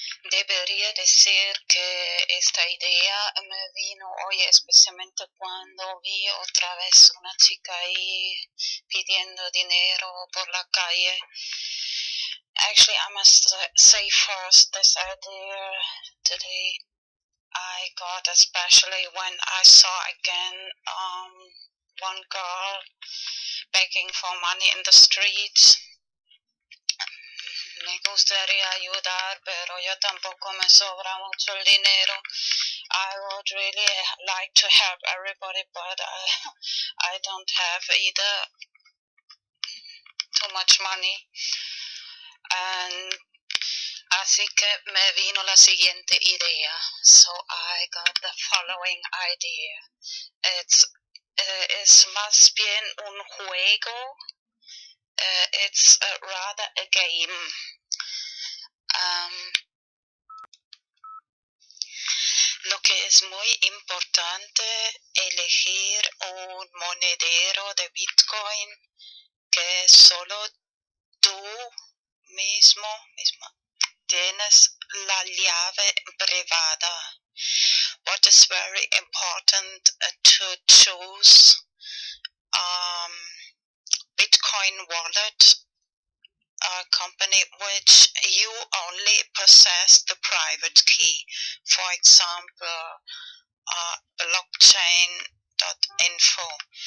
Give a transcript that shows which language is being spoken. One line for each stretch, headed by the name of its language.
Spanish: Debería decir que esta idea me vino hoy especialmente cuando vi otra vez una chica ahí pidiendo dinero por la calle.
English: Actually, I must say first this idea today I got, especially when I saw again one girl begging for money in the streets.
Spanish: Me gustaría ayudar, pero yo tampoco me sobra mucho el dinero.
English: I would really like to help everybody, but I don't have either too much money.
Spanish: And así que me vino la siguiente idea.
English: So I got the following idea.
Spanish: Es más bien un juego.
English: It's rather a game.
Spanish: Lo que es muy importante elegir un monedero de Bitcoin que solo tú mismo tienes la llave privada.
English: What is very important to choose Bitcoin wallet, a company which you only possess the private key, for example, blockchain.info.